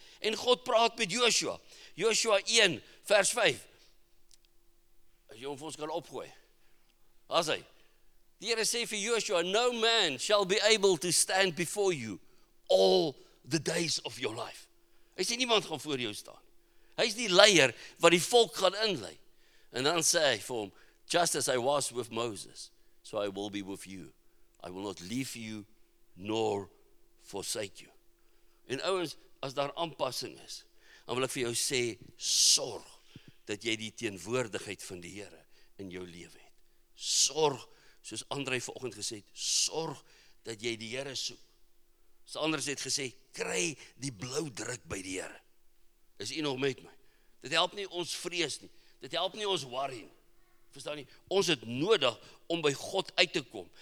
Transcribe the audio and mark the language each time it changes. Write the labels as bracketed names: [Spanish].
[Afrikaans] En God praat met Joshua. Joshua 1 vers 5. As jy hom vir ons kan opgooi. As hy. Die Here sê vir Joshua, [English] no man shall be able to stand before you all the days of your life. Hy sê niemand gaan voor jou staan. Hy is die leier wat die volk gaan inlei. [Afrikaans] En dan sê hy vir hom, [English] just as I was with Moses, so I will be with you. I will not leave you nor forsake you. [Afrikaans] En ouens, as daar aanpassing is, dan wil ek vir jou sê, sorg dat jy die teenwoordigheid van die Here in jou lewe het. Sorg, soos Andre vanoggend gesê het, sorg dat jy die Here soek. Soos anders het gesê, kry die blou druk by die Here. Is u nog met my? Dit help nie ons vrees nie. Dit help nie ons worry nie. Verstaan nie? Ons het nodig om by God uit te kom.